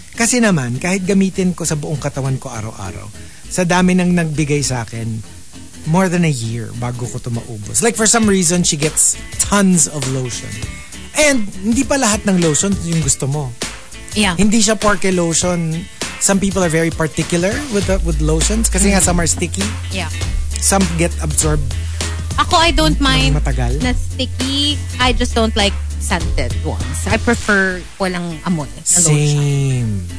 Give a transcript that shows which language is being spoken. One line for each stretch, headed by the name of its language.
Filipino: Kasi naman, kahit gamitin ko sa buong katawan ko araw-araw, sa dami nang nagbigay sa akin,
English: more than a year
Filipino: bago ko ito maubos.
English: Like for some reason, she gets tons of lotion.
Filipino: And hindi pa lahat ng lotion yung gusto mo.
English: Yeah.
Filipino: Hindi siya porke lotion.
English: Some people are very particular with lotions
Filipino: kasi nga
English: some are sticky. Yeah. Some get absorbed. Ako, I don't mind
Filipino: matagal. Na sticky.
English: I just don't like scented ones. I prefer
Filipino: walang amoy.
English: Same.